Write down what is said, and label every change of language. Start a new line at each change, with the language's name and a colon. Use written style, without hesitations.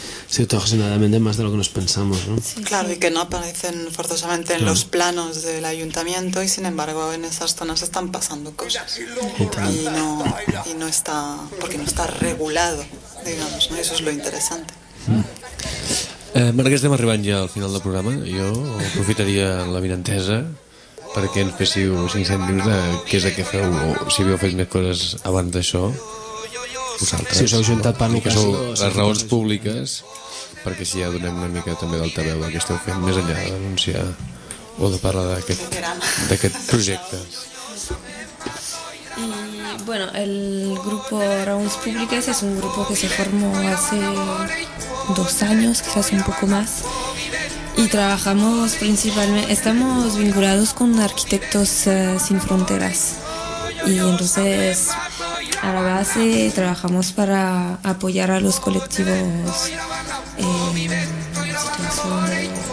Spanish: Sí, aproximadamente más de lo que nos pensamos, ¿no? Sí, claro, y que no aparecen forzosamente en los planos del ayuntamiento, y sin embargo en esas zonas están pasando cosas. Y no está, porque no está regulado, digamos, ¿no? Eso es lo interesante.
Catalan: Marc, estem arribant ja al final del programa. Jo aprofitaria la mirantesa perquè ens féssiu 5 cèntims de què és el que feu, o si havíeu fet més coses abans d'això. Vosaltres. Si us heu juntat per l'ocasió. Sou les raons públiques, perquè així ja donem una mica també d'altaveu del que esteu fent, més enllà de denunciar o de parlar d'aquest projecte.
Spanish: Y bueno, el grupo Raons Públiques es un grupo que se formó hace 2 años, quizás un poco más, y trabajamos principalmente, estamos vinculados con Arquitectos Sin Fronteras, y entonces a la base trabajamos para apoyar a los colectivos en situación de